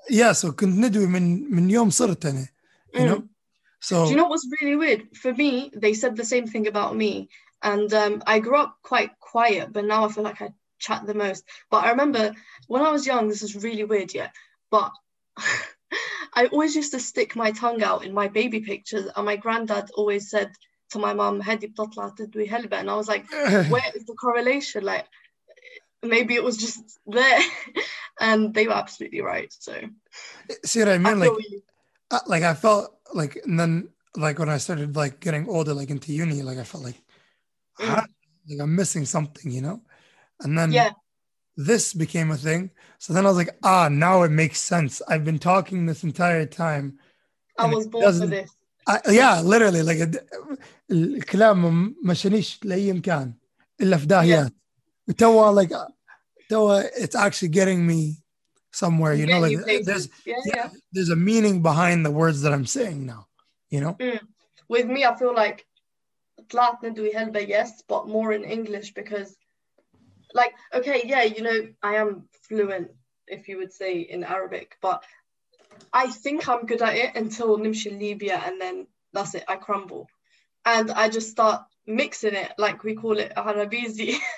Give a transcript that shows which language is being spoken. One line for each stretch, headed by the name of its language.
English: Yeah, so
Arabic: كنت ندوي من يوم صرت أنا,
English: you know? So, do you know what's really weird? For me, they said the same thing about me. And I grew up quite quiet, but now I feel like I chat the most. But I remember when I was young, this is really weird, yeah. But I always used to stick my tongue out in my baby pictures. And my granddad always said to my mom,
Arabic: "Hadi بتطلع تدوي هلبة."
English: And I was like, where is the correlation? Like, maybe it was just there. And they were absolutely right. So, see what I mean? Like I felt like, and then like when I started like getting older, like into uni, like I felt like I'm missing something, you know? And then this became a thing. So then I was like, ah, now it makes sense. I've been talking this entire time. I was born for this. Yeah, literally, like
Arabic: الكلام مشانيش لأي مكان إلا في داهيات. توا
English: like توا it's actually getting me somewhere, you know, like there's a meaning behind the words that I'm saying now, you know. With me, I feel like
Arabic: طلعت ندوي هلبة,
English: yes, but more in English, because like, okay, yeah, you know, I am fluent, if you would say, in Arabic, but I think I'm good at it until
Arabic: نمشي ليبيا,
English: and then that's it, I crumble, and I just start mixing it, like we call it Arabizi.